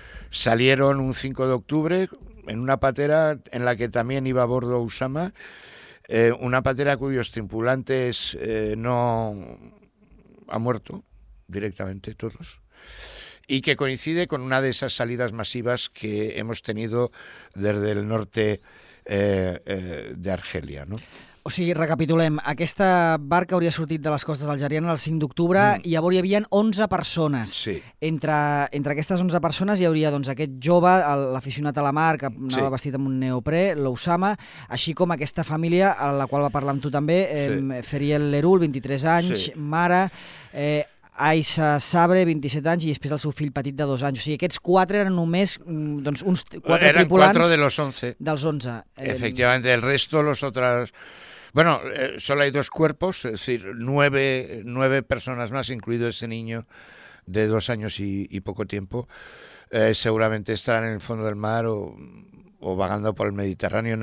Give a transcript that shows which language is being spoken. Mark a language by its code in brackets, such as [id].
[es] Salieron un 5 de octubre en una patera en la que también iba a bordo Usama, una patera cuyos tripulantes no han muerto directamente todos, y que coincide con una de esas salidas masivas que hemos tenido desde el norte de Argelia, ¿no? [ca] O sigui, recapitulem, aquesta barca hauria sortit de les costes algerianes el 5 d'octubre i llavors hi havia 11 persones. Sí. Entre aquestes 11 persones hi hauria doncs, aquest jove, l'aficionat a la mar, que anava sí. vestit amb un neoprè, l'Usama, així com aquesta família, a la qual va parlar amb tu també, sí. Feriel Lerul, 23 anys, sí. mare, Aïssa Sabre, 27 anys, i després el seu fill petit de 2 anys. O sigui, aquests 4 eren només doncs, uns 4 eren tripulants... [es] Eren 4 de los 11. [ca] Dels 11. [es] Efectivament, el resto, los otros... Bueno, solo hay dos cuerpos, es decir, nueve personas más, incluido ese niño de 2 años y poco tiempo, seguramente estarán en el fondo del mar o vagando por el Mediterráneo.